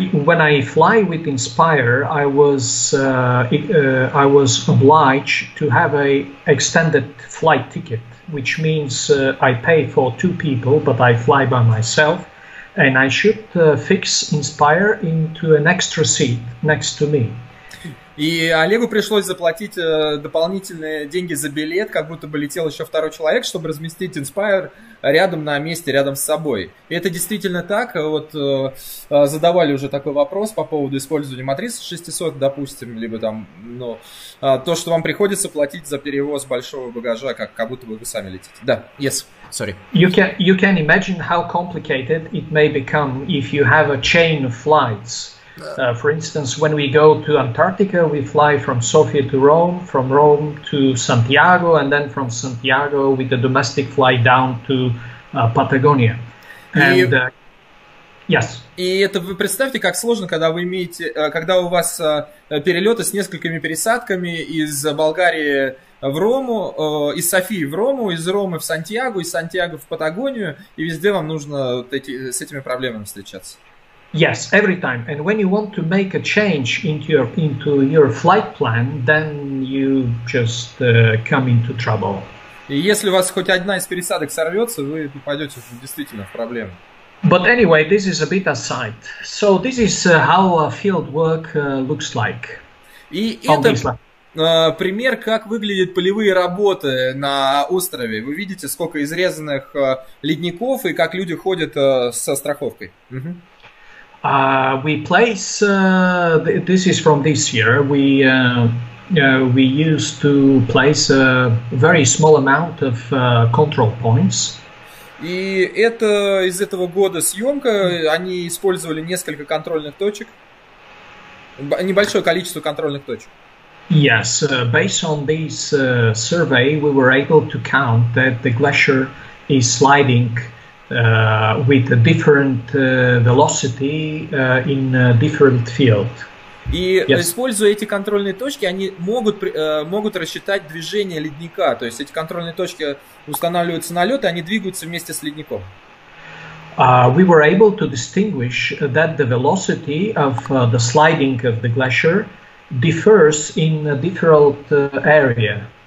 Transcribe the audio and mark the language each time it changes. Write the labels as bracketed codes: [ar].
[en] When I fly with Inspire, I was obliged to have a extended flight ticket, which means I pay for two people, but I fly by myself, and I should fix Inspire into an extra seat next to me. [ru] И Олегу пришлось заплатить дополнительные деньги за билет, как будто бы летел еще второй человек, чтобы разместить Inspire рядом на месте, рядом с собой. И это действительно так. Вот задавали уже такой вопрос по поводу использования матрицы 600, допустим, либо там, ну, то, что вам приходится платить за перевоз большого багажа, как будто бы вы сами летите. Да, [en] yes, sorry. You can imagine how complicated it may become if you have a chain of flights. For instance, when we go to Antarctica, we fly from Sofia to Rome, from Rome to Santiago, and then from Santiago with a domestic flight down to Patagonia. And, [ru] И [en] yes. [ru] это вы представьте, как сложно, когда вы имеете, когда у вас перелеты с несколькими пересадками из Болгарии в Рому, из Софии в Рому, из Ромы в Сантьяго, из Сантьяго в Патагонию, и везде вам нужно с этими проблемами встречаться. [en] Yes, every time. And when you want to make a change into your flight plan, then you just come into trouble. [ru] И если у вас хоть одна из пересадок сорвется, вы попадете действительно в проблемы. [en] But anyway, this is a bit aside. So this is how a field work looks like [ru] И [en] on [ru] это [en] this line. [ru] пример, как выглядят полевые работы на острове. Вы видите, сколько изрезанных ледников и как люди ходят со страховкой. [en] We place th this is from this year. We used to place a very small amount of control points. [ru] И это из этого года съемка. Они использовали несколько контрольных точек. Небольшое количество контрольных точек. [en] Yes, based on this survey, we were able to count that the glacier is sliding with a different velocity in a different field. [ru] И [en] Yes. [ru] используя эти контрольные точки, они могут рассчитать движение ледника. То есть эти контрольные точки устанавливаются на лед, и они двигаются вместе с ледником. [en] We were able to distinguish that the velocity of the sliding of the glacier differs in a different area.